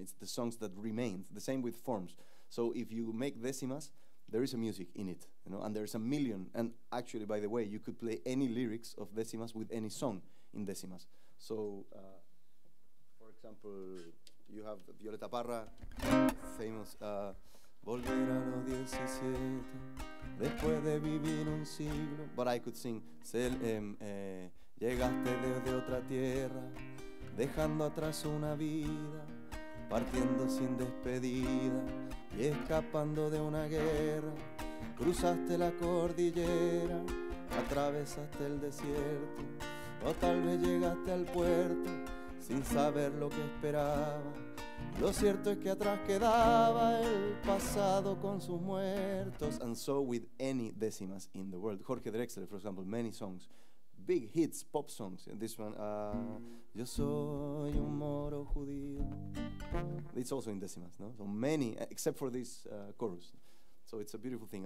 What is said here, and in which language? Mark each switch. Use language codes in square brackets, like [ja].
[en] It's the songs that remain. The same with forms. So if you make decimas, there is a music in it, you know? And there's a million. And actually, by the way, you could play any lyrics of decimas with any song in decimas. So, for example, you have Violeta Parra, famous [es] volver a los 17, después de vivir un siglo. But I could sing, llegaste desde otra tierra, dejando atrás una vida, partiendo sin despedida y escapando de una guerra. Cruzaste la cordillera, atravesaste el desierto, o tal vez llegaste al puerto sin saber lo que esperaba. Lo cierto es que atrás quedaba el pasado con sus muertos. [en] And so with any decimas in the world. Jorge Drexler, for example, many songs, big hits, pop songs. And this one, [es] yo soy un moro judío. [en] It's also in decimas, no? So many, except for this chorus. So it's a beautiful thing.